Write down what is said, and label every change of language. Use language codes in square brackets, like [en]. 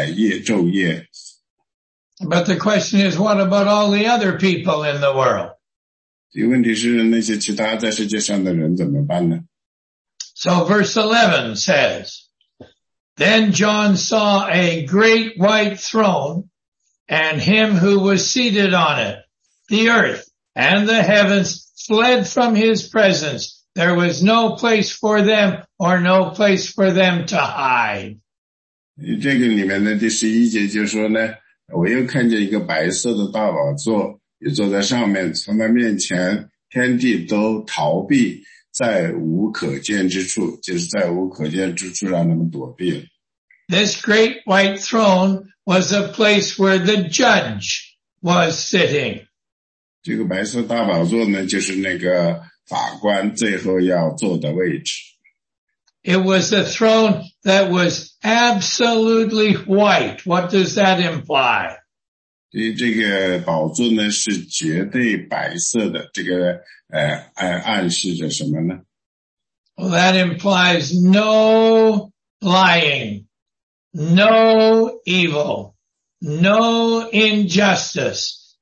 [zh] 因为他们极其热心地跟着魔鬼，所以这两个呢，假先知兽呢，他们也该得这样的永恒的折磨，昼夜。 [en] But the question is, what about all the other people in the world? [zh] 问题是那些其他在世界上的人怎么办呢？ [en] So verse 11 says, Then John saw a great white throne, and him who was seated on it. The earth and the heavens fled from his presence. There was no place for them or no place for them to hide. [zh] 这个里面的第十一节就说呢，我又看见一个白色的大宝座，也坐在上面，从他面前天地都逃避，在无可见之处，就是在无可见之处让他们躲避了。 [en] This great white throne was a place where the judge was sitting. [zh] 这个白色大宝座呢，就是那个法官最后要坐的位置。 [en] It was a throne that was absolutely white. What does that imply? [zh] 这个宝座呢是绝对白色的，这个暗示着什么呢？ [en] Well, that implies no lying, no evil, no injustice.